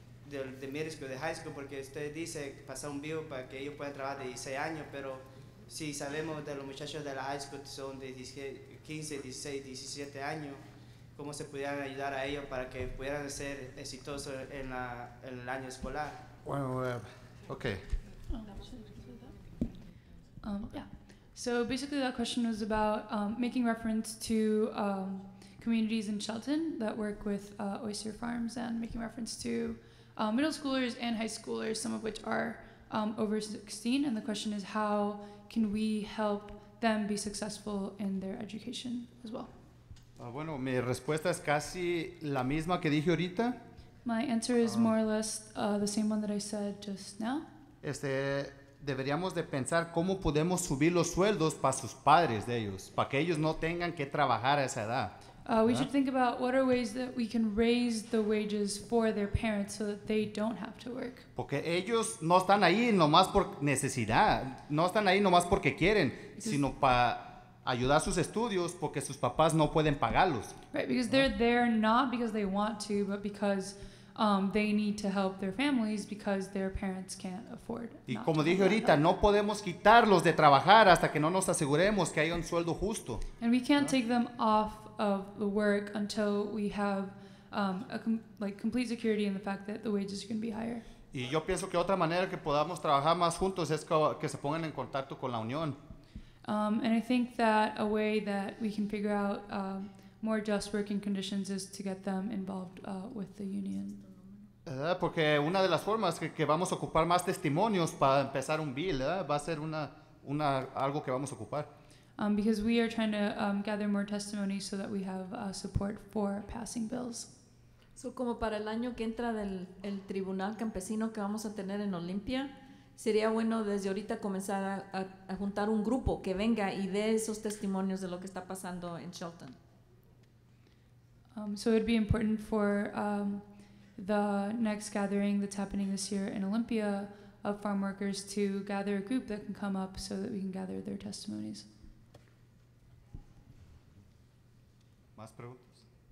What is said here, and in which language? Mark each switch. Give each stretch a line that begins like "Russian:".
Spanish: de middle school, de high school, porque usted dice pasar un vivo para que ellos puedan trabajar de 16 años, pero si sabemos de los muchachos de la high school que son de 15, 16, 17 años, ¿cómo se pudieran ayudar a ellos para que pudieran ser exitosos en la en el año escolar? Bueno, okay.
English: So basically that question was about making reference to communities in Shelton that work with oyster farms and making reference to middle schoolers and high schoolers, some of which are over 16. And the question is, how can we help them be successful in their education as well?
Spanish: Bueno, mi respuesta es casi la misma que dije ahorita.
English: My answer is more or less the same one that I said just now.
Spanish: Deberíamos de pensar cómo podemos subir los sueldos para sus padres de ellos, para que ellos no tengan que trabajar a esa edad.
English: We should think about what are ways that we can raise the wages for their parents so that they don't have to work.
Spanish: Porque ellos no están ahí nomás por necesidad, no están ahí nomás porque quieren, sino para ayudar a sus estudios porque sus papás no pueden pagarlos.
English: Right, because they're there not because they want to, but because they need to help their families because their parents can't afford.
Spanish: Y como dije ahorita, no podemos quitarlos de trabajar hasta que no nos aseguremos que haya un sueldo justo.
English: And we can't take them off of the work until we have complete security in the fact that the wages are going to be higher.
Spanish: Y yo pienso que otra manera que podamos trabajar más juntos es que se pongan en contacto con la unión.
English: And I think that a way that we can figure out more just working conditions is to get them involved with the union.
Spanish: Porque una de las formas que vamos a ocupar más testimonios para empezar un bill, ¿verdad? Va a ser una algo que vamos a ocupar.
English: Because we are trying to gather more testimonies so that we have support for passing bills.
Spanish: So como para el año que entra del tribunal campesino que vamos a tener en Olympia, sería bueno desde ahorita comenzar a juntar un grupo que venga y dé esos testimonios de lo que está pasando en Shelton.
English: So it'd be important for the next gathering that's happening this year in Olympia of farm workers to gather a group that can come up so that we can gather their testimonies.
Spanish: ¿Más preguntas?